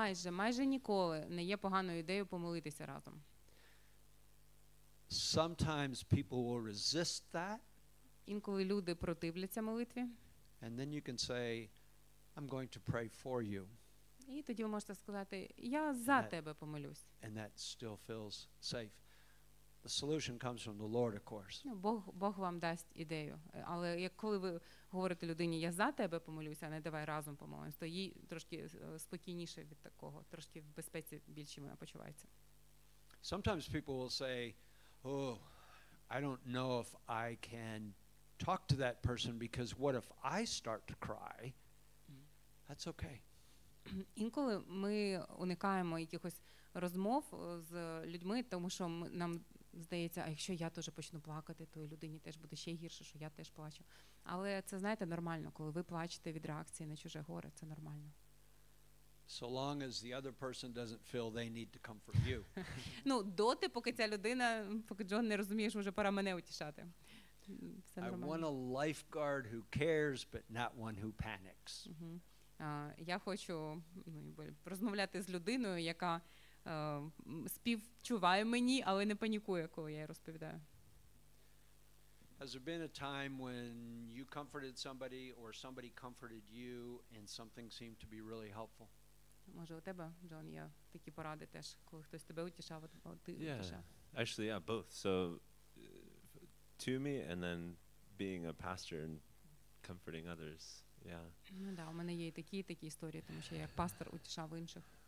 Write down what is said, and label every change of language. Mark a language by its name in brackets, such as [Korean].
[Ukrainian] Майже ніколи не є поганою ідеєю помолитися разом. [English] Sometimes people will resist that. [Ukrainian] Інколи люди противляться молитві. [English] And then you can say, I'm going to pray for you. [Ukrainian] І тоді ви можете сказати, я за тебе помолюсь. [English] And that still feels safe. The solution comes from the Lord, of course. [Ukrainian] Бог вам дасть ідею. Але як коли ви говорите людині, я за тебе помолюся, а не давай разом помолимось, то їй трошки спокійніше від такого, трошки в безпеці більше вона почувається. [English] Sometimes people will say, oh, I don't know if I can talk to that person because what if I start to cry? That's okay. [Ukrainian] Інколи ми уникаємо якихось розмов з людьми, тому що нам здається, а якщо я теж почну плакати, то людині теж буде ще гірше, що я теж плачу. Але це, знаєте, нормально, коли ви плачете від реакції на чуже горе, це нормально. [English] So long as the other person doesn't feel they need to comfort you. [Ukrainian] Ну, доти, поки ця людина, поки Джон не розуміє, що вже пора мене утішати. Це нормально. [English] I want a lifeguard who cares, but not one who panics. [Ukrainian] Я хочу, ну, розмовляти з людиною, яка співчуває мені, але не панікує, коли я розповідаю. [English] Has there been a time when you comforted somebody or somebody comforted you and something seemed to be really helpful? [Ukrainian] Може, у тебе, Джон, є такі поради теж, коли хтось тебе утішав, а ти утішав? [English] Yeah, actually, yeah, both. So, to me and then being a pastor and comforting others, yeah. [Ukrainian] Ну, да, у мене є такі історії, тому що я як пастор утішав інших.